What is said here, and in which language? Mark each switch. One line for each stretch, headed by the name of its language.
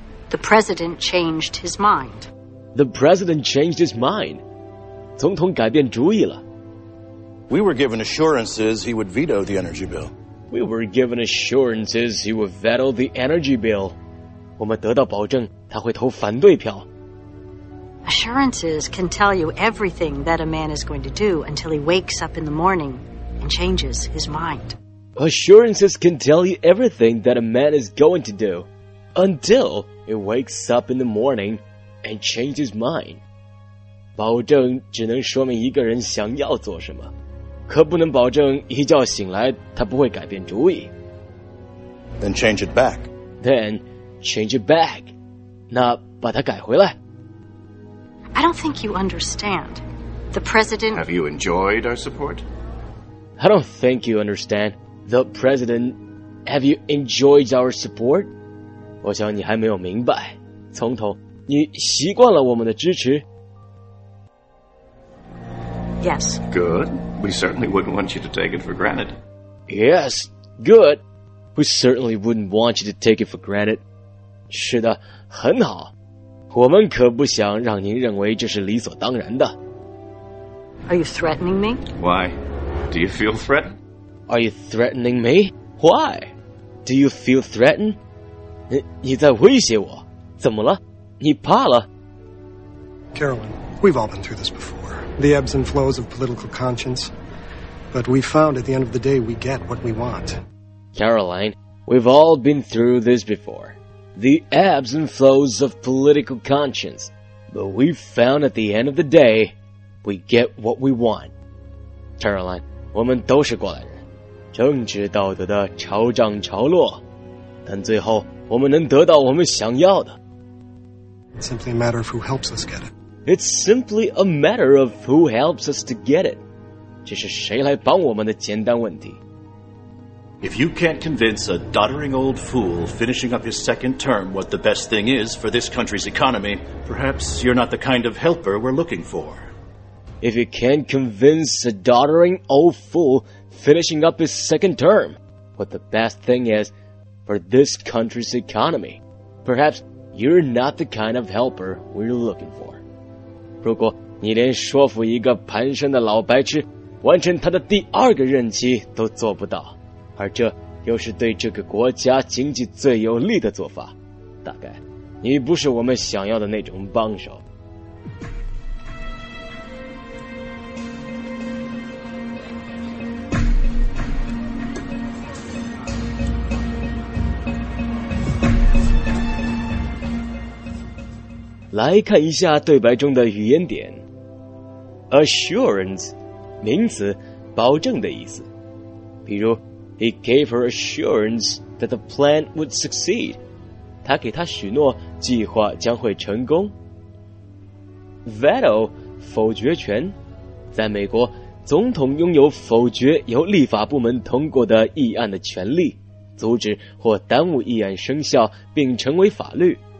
English: The president changed his mind. The president changed his mind.
Chinese: 总统改变主意了。
English: We were given assurances he would veto the energy bill. We were given assurances he would veto the energy bill.
Chinese: 我们得到保证他会投反对票。
English: Assurances can tell you everything that a man is going to do until he wakes up in the morning and changes his mind. Assurances can tell you everything that a man is going to do until he wakes up in the morning and changes his mind.
Chinese: 保证只能说明一个人想要做什么。可不能保证一觉醒来他不会改变主意。
English: Then change it back. Then change it back.
Chinese: 那把它改回来。
English: I don't think you understand. The president... Have you enjoyed our support? I don't think you understand. The president... Have you enjoyed our support?
Chinese: 我想你还没有明白。总统，你习惯了我们的支持。
English: Yes. Good. We certainly wouldn't want you to take it for granted. Yes. Good. We certainly wouldn't want you to take it for granted.
Chinese: 是的，很好。我们可不想让您认为这是理所当然的。
English: Are you threatening me? Why? Do you feel threatened? Are you threatening me? Why? Do you feel threatened?
Chinese: 你在威胁我？怎么了？你怕了？
English: Caroline, we've all been through this before. The ebbs and flows of political conscience. But we found at the end of the day we get what we want. Caroline, we've all been through this before. The ebbs and flows of political conscience. But we found at the end of the day we get what we want.
Chinese: Caroline, 我们都是过来人。政治道德的潮涨潮落。但最后我们能得到我们想要的。
English: It's simply a matter of who helps us get it. It's simply a matter of who helps us to get it.
Chinese: 这是谁来帮我们的简单问题。
English: If you can't convince a doddering old fool finishing up his second term what the best thing is for this country's economy, perhaps you're not the kind of helper we're looking for. If you can't convince a doddering old fool finishing up his second term what the best thing is for this country's economy, perhaps you're not the kind of helper we're looking for.
Chinese: 如果你连说服一个蹒跚的老白痴完成他的第二个任期都做不到，而这又是对这个国家经济最有利的做法，大概你不是我们想要的那种帮手。来看一下对白中的语言点。 Assurance 名词，保证的意思。比如
English: He gave her assurance that the plan would succeed.
Chinese: 他给她许诺计划将会成功。 Veto, 否决权。在美国，总统拥有否决由立法部门通过的议案的权利，阻止或耽误议案生效并成为法律。